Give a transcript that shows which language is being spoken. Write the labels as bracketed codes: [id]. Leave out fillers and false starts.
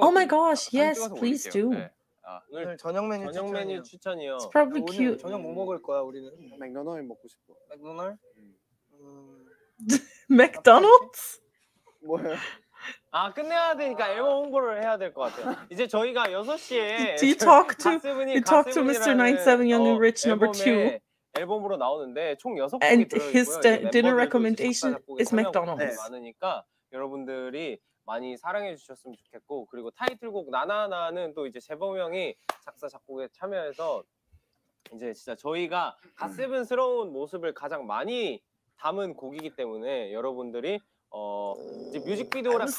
[en] Oh my gosh, yes, please do. [ko] 네. 오늘 저녁 메뉴 저녁 메뉴 추천이요. [en] It's probably cute. [ko] 오늘 저녁 뭐 먹을 거야 우리는? 맥도날드 먹고 싶어. 맥도날드? 맥도날드? 뭐야? 아 끝내야 되니까 앨범 홍보를 해야 될 것 같아요. 이제 저희가 6시에 [en] Do you talk to you talk to Mr. 97 Young and Rich Number 2? [ko] 앨범으로 나오는데 총 6곡이 들어있고요. [en] And his dinner recommendation is McDonald's. [ko] 많으니까 여러분들이 많이 사랑해 주셨으면 좋겠고 그리고 타이틀곡 나나나는 또 이제 재범 형이 작사 작곡에 참여해서 이제 진짜 저희가 갓세븐스러운 모습을 가장 많이 담은 곡이기 때문에 여러분들이 이제 뮤직비디오랑